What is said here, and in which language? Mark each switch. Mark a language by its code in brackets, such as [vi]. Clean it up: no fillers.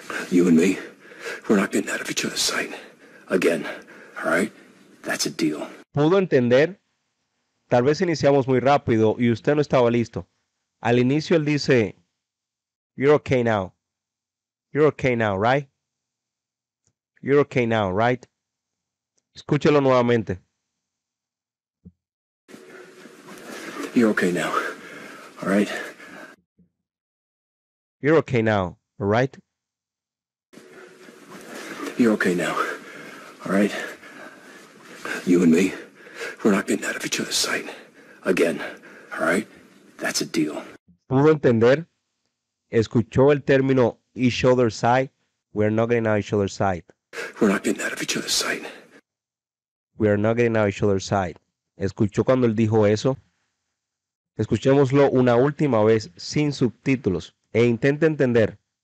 [en] You and me, we're not getting out of each other's sight. Again. All right. That's a deal. [es] ¿Pudo entender? Tal vez iniciamos muy rápido y usted no estaba listo. Al inicio él dice, [en] you're okay now. You're okay now, right? You're okay now, right? [es] Escúchelo nuevamente. [en] You're okay now, all right? You're okay now, all right? You're okay now, all right? You and me, we're not getting out of each other's sight. Again, all right? That's a deal. [es] ¿Pudo entender? ¿Escuchó el término [en] each other's sight? We're not getting out of each other's sight. We're not getting out of each other's sight. We're not getting out of each other's sight. [es] ¿Escuchó cuando él dijo eso? Escuchémoslo una última vez sin subtítulos e intente entender.